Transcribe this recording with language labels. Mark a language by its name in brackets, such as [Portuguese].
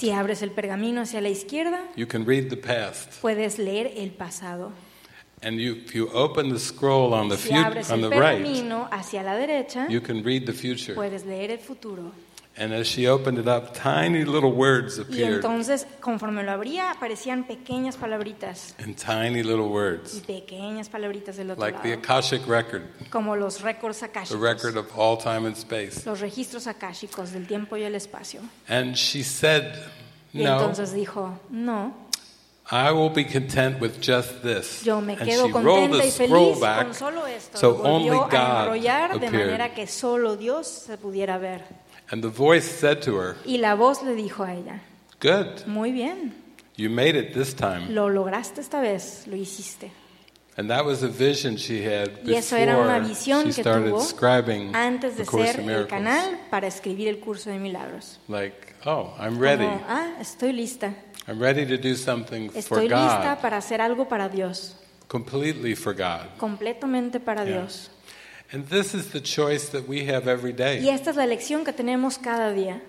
[Spanish] si abres el pergamino hacia la izquierda, [English] you can read the past. [Spanish] Puedes leer el pasado. [English] And if you open the scroll on the on the right, [Spanish] hacia la derecha, [English] you can read the future. [Spanish] Puedes leer el futuro. [English] And as she opened it up, tiny little words appeared. [Spanish] Y entonces, conforme lo abría, aparecían pequeñas palabritas. [English] And tiny little words. [Spanish] Y pequeñas palabritas del otro [English] like [Spanish] lado. [English] The Akashic record. [Spanish] Como los récords akáshicos. [English] The record of all time and space. [Spanish] Los registros akáshicos del tiempo y el espacio. [English] And she said, no. [Spanish] Y entonces dijo, no. [English] I will be content with just this. [Spanish] Yo me [English] and [Spanish] quedo [English] she rolled the scroll back [Spanish] esto, [English] so only God appeared. [Spanish] De manera que solo Dios se pudiera ver. [English] And the voice said to her, [Spanish] y la voz le dijo a ella, [English] good. [Spanish] Muy bien. [English] You made it this time. [Spanish] Lo lograste esta vez. Lo hiciste. [English] And that was a vision she had before she started scribing [Spanish] antes de [English] the Course [Spanish] ser [English] of Miracles. [Spanish] El canal para escribir el curso de milagros. [English] Like, oh, I'm ready. [Spanish] Como, ah, estoy lista. [English] I'm ready to do something [Spanish] estoy [English] for God. [Spanish] Estoy lista para hacer algo para Dios. [English] completely for God. [Spanish] Completamente para Dios. [English] And this is the choice that we have every day. [Spanish] Y esta es la elección que tenemos cada día.